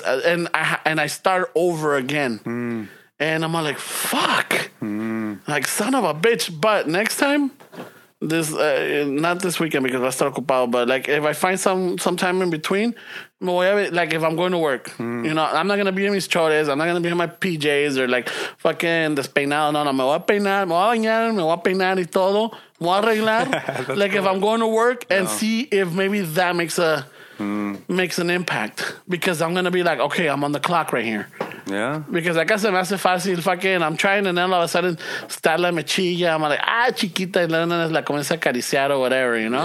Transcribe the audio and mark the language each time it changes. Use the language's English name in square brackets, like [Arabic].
[English] And I start over again. And I'm like, fuck. Like, son of a bitch. But next time, not this weekend because I start ocupado, but like if I find some time in between, like if I'm going to work, you know, I'm not going to be in mis chores, I'm not going to be in my PJs or like fucking despeinado. [Spanish] No, me voy a peinar, me voy a bañar, me voy a peinar y todo, me voy a arreglar. [English] Like cool. If I'm going to work and see if maybe that makes an impact, because I'm going to be like, okay, I'm on the clock right here. Yeah. Because like I said, [Spanish] me hace fácil, [English] fucking, I'm trying and then all of a sudden, [Spanish] está la mechilla, [English] I'm like, [Spanish] ah, chiquita, [English] and then [Spanish] la comienza a acariciar [English] or whatever, you know?